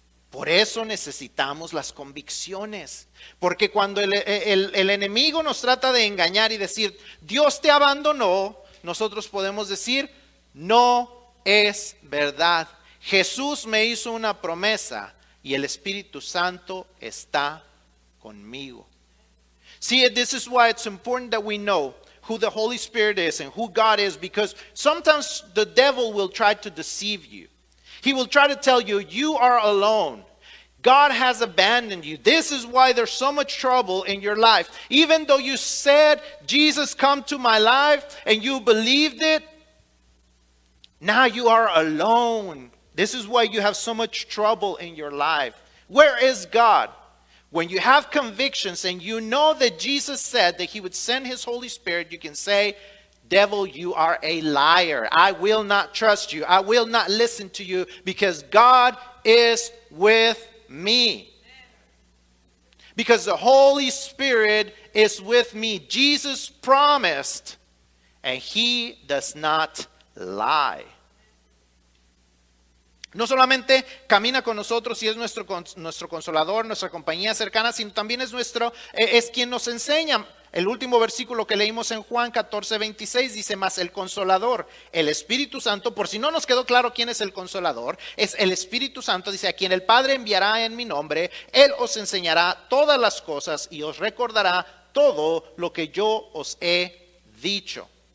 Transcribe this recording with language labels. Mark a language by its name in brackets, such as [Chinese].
[Spanish] Por eso necesitamos las convicciones. Porque cuando el enemigo nos trata de engañar y decir: "Dios te abandonó", nosotros podemos decir: "No es verdad. Jesús me hizo una promesa y el Espíritu Santo está conmigo." [English] See, this is why it's important that we know who the Holy Spirit is and who God is, because sometimes the devil will try to deceive you. He will try to tell you, "You are alone. God has abandoned you. This is why there's so much trouble in your life. Even though you said, 'Jesus, come to my life,' and you believed it, now you are alone. This is why you have so much trouble in your life. Where is God?" When you have convictions and you know that Jesus said that he would send his Holy Spirit, you can say, "Devil, you are a liar. I will not trust you. I will not listen to you because God is with me." Because the Holy Spirit is with me. Jesus promised And he does not lie. [Spanish] No solamente camina con nosotros y es nuestro consolador, nuestra compañía cercana, sino también es quien nos enseña. El último versículo que leímos en Juan 14, 26 dice: más el Consolador, el Espíritu Santo, por si no nos quedó claro quién es el Consolador, es el Espíritu Santo, dice: a quien el Padre enviará en mi nombre, Él os enseñará todas las cosas y os recordará todo lo que yo os he dicho.